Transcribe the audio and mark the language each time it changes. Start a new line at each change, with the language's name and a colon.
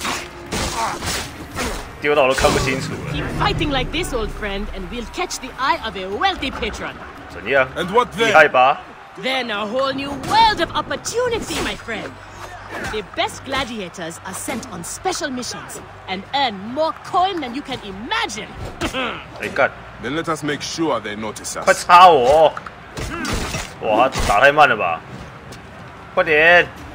Chinese: 到底有没有丢啊？丢到我都看不清楚了。
English: Keep fighting like this, old friend, and we'll catch the eye of a wealthy patron.
Chinese: 怎样？厉害吧
English: ？Then a whole new world of opportunity, my friend. The best gladiators are sent on special missions and earn more coin than you can imagine.
Chinese: 哎，干
English: ！Then let us make sure they notice us.
Chinese: 快插我！哇，打太慢了吧？快点！